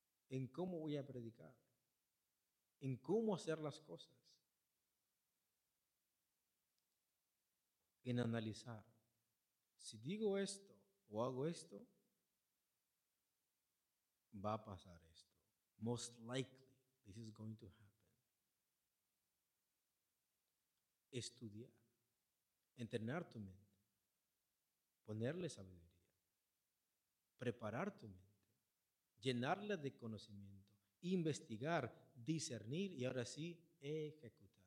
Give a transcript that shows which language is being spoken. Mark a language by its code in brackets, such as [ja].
[es] ¿En cómo voy a predicar? ¿En cómo hacer las cosas? En analizar, si digo esto o hago esto, va a pasar esto. [en] Most likely, this is going to happen. [es] Estudiar, entrenar tu mente, ponerle sabiduría, preparar tu mente, llenarla de conocimiento, investigar, discernir y ahora sí, ejecutar.